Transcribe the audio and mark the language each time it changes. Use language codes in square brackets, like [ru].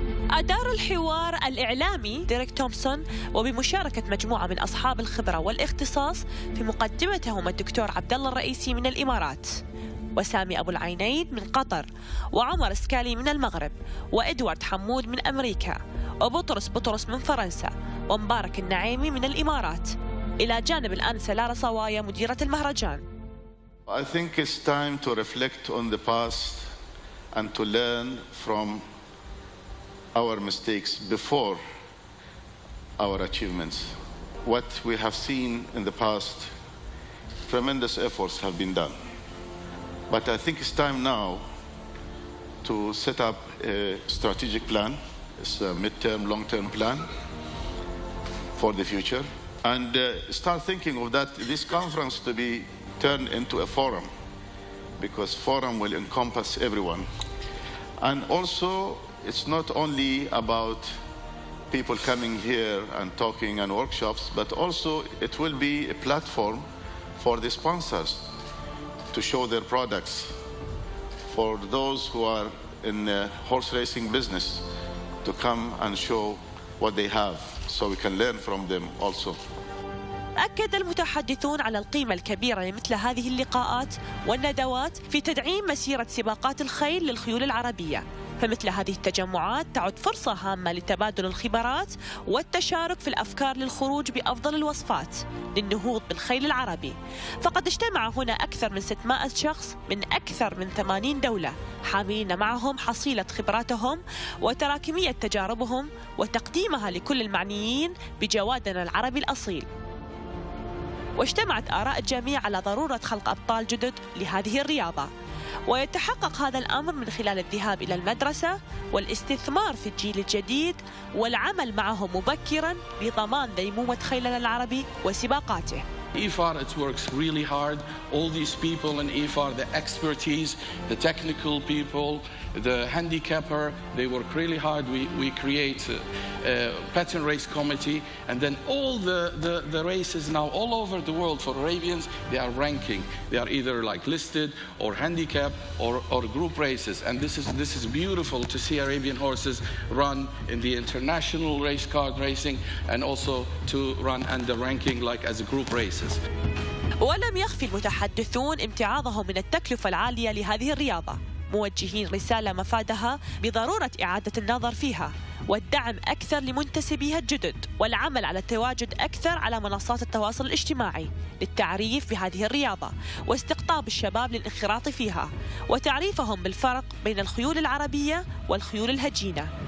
[ar] أدار الحوار الإعلامي ديريك تومسون وبمشاركة مجموعة من أصحاب الخبرة والاختصاص، في مقدمتهم الدكتور عبدالله الرئيسي من الإمارات، وسامي أبو العينيد من قطر، وعمر سكالي من المغرب، وإدوارد حمود من أمريكا، وبطرس بطرس من فرنسا، ومبارك النعيمي من الإمارات، إلى جانب الأنسة لارا صوايا مديرة المهرجان. [en] I think it's time to reflect on the past and to learn from our mistakes before our achievements. What we have seen in the past, tremendous efforts have been done. But I think it's time now to set up a strategic plan. It's a midterm, long-term plan for the future. And start thinking of that, this conference to be turned into a forum, because forum will encompass everyone. And also, it's not only about people coming here and talking and workshops, but also it will be a platform for the sponsors to show their products, for those who are in the horse racing business to come and show what they have, so we can learn from them also. [ar] أكد المتحدثون على القيمة الكبيرة لمثل هذه اللقاءات والندوات في تدعيم مسيرة سباقات الخيل للخيول العربية، فمثل هذه التجمعات تعد فرصة هامة لتبادل الخبرات والتشارك في الأفكار للخروج بأفضل الوصفات للنهوض بالخيل العربي. فقد اجتمع هنا أكثر من 600 شخص من أكثر من 80 دولة، حاملين معهم حصيلة خبراتهم وتراكمية تجاربهم وتقديمها لكل المعنيين بجوادنا العربي الأصيل. واجتمعت آراء الجميع على ضرورة خلق أبطال جدد لهذه الرياضة، ويتحقق هذا الأمر من خلال الذهاب إلى المدرسة والاستثمار في الجيل الجديد والعمل معهم مبكراً لضمان ديمومة خيلنا العربي وسباقاته. [en] EFAR, it works really hard. All these people in EFAR, the expertise, the technical people, the handicapper, they work really hard. We create a pattern race committee, and then all the races now all over the world for Arabians, they are ranking. They are either like listed or handicap or group races. And this is beautiful to see Arabian horses run in the international race card racing and also to run under ranking like as a group races. [ar] ولم يخفي المتحدثون امتعاضهم من التكلفة العالية لهذه الرياضة، موجهين رسالة مفادها بضرورة إعادة النظر فيها والدعم أكثر لمنتسبيها الجدد والعمل على التواجد أكثر على منصات التواصل الاجتماعي للتعريف بهذه الرياضة واستقطاب الشباب للانخراط فيها وتعريفهم بالفرق بين الخيول العربية والخيول الهجينة